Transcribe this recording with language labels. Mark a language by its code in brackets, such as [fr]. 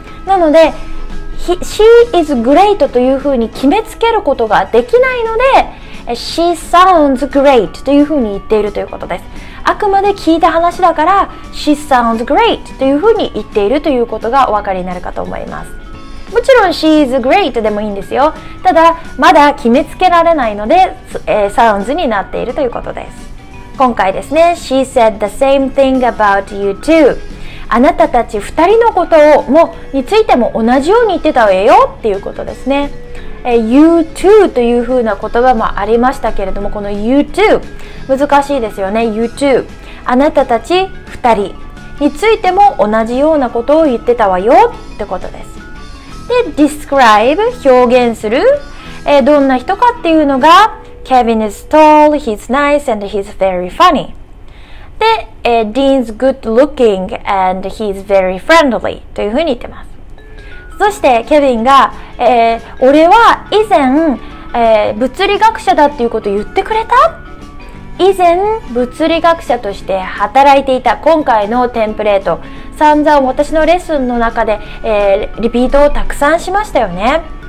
[ja] なので [en] She is great [ja] というふうに決めつけることができないので、 [en] She sounds great [ja] というふうに言っているということです。あくまで聞いた話だから [en] She sounds great [ja] というふうに言っているということがお分かりになるかと思います。もちろん [en] She is great [ja] でもいいんですよ。ただまだ決めつけられないので、sounds になっているということです。今回ですね、 [en] She said the same thing about you too。 [ja] あなたたち2人のことをもについても同じように言ってたわよっていうことですね。 You too というふうな言葉もありましたけれども、この You too 難しいですよね。 You too、 あなたたち2人についても同じようなことを言ってたわよってことです。 [en] で、 Describe [ja] 表現する、どんな人かっていうのが [en] Kevin is tall, he's nice, and he's very funny. [ja] で、 [en] Dean's good looking, and he's very friendly. [ja] というふうに言ってます。そして、ケビンが、俺は以前、物理学者だっていうことを言ってくれた？以前、物理学者として働いていた今回のテンプレート。散々私のレッスンの中で、リピートをたくさんしましたよね。